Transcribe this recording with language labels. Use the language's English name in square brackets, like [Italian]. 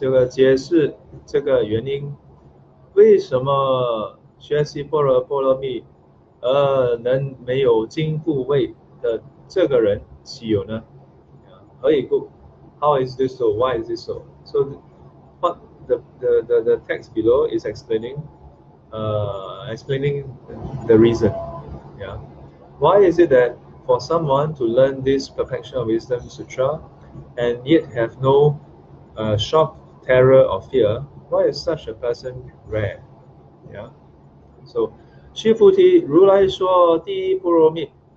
[Chinese] 这底下这个解释这个原因, 为什么学习般若波罗蜜而能没有经故位的这个人岂有呢? 何以故? [English] How is this so? Why is this so? So what the text below is explaining the reason. Yeah. Why is it that for someone to learn this perfection of wisdom sutra and yet have no shock, terror or fear, why is such a person rare? Yeah. [Chinese] So, 须菩提如来说第一波罗蜜.